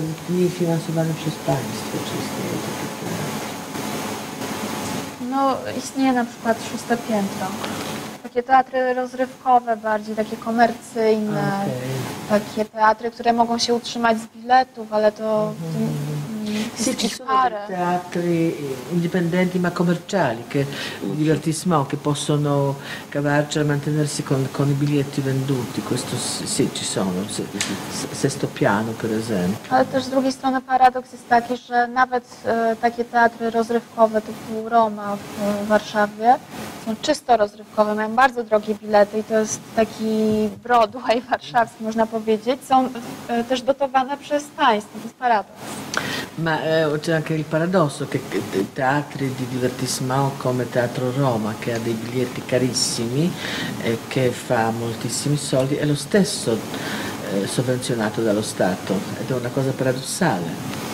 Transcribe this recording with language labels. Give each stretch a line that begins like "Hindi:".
Polish: Nie finansowany przez państwo, czy istnieje takie? No, istnieje na przykład Szóste Piętro. Takie teatry rozrywkowe, bardziej takie komercyjne. Okay. Takie teatry, które mogą się utrzymać z biletów, ale to
Italian: sì, ci sono dei teatri indipendenti ma commerciali, che divertissement, che possono cavarcela, mantenersi con i biglietti venduti. Questo sì, ci sono. Sesto Piano, per esempio.
Polish: Ale też z drugiej strony paradoks jest taki, że nawet takie teatry rozrywkowe typu Roma w Warszawie są czysto rozrywkowe, mają bardzo drogie bilety i to jest taki Broadway warszawski, można powiedzieć. Są też dotowane przez państwo. To jest paradoks.
Italian: Ma c'è anche il paradosso che i teatri di divertissement come Teatro Roma, che ha dei biglietti carissimi e che fa moltissimi soldi, è lo stesso sovvenzionato dallo Stato, ed è una cosa paradossale.